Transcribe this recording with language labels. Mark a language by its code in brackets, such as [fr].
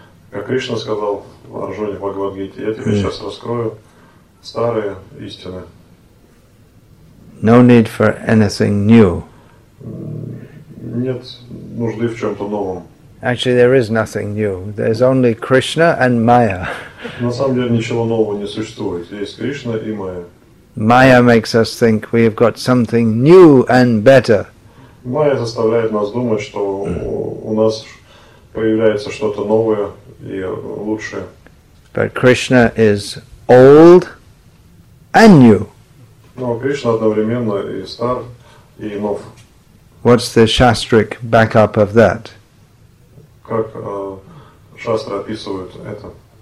[ru] Как Кришна сказал Арджуне в Бхагавад-гите, я тебе сейчас раскрою старые истины. [en] No need for anything new. [ru] Нет нужды в чем-то новом. [en] Actually, there is nothing new. There's only Krishna and Maya. [ru] На самом деле ничего нового не существует. Есть Кришна и Майя. [en] Maya makes us think we have got something new and better. [ru] Майя заставляет нас думать, что у нас появляется что-то новое и лучшее. [en] But Krishna is old and new. [ru] Но Кришна одновременно и стар, и нов. [en] What's the shastric backup of that? [ru] Как шастры описывают это?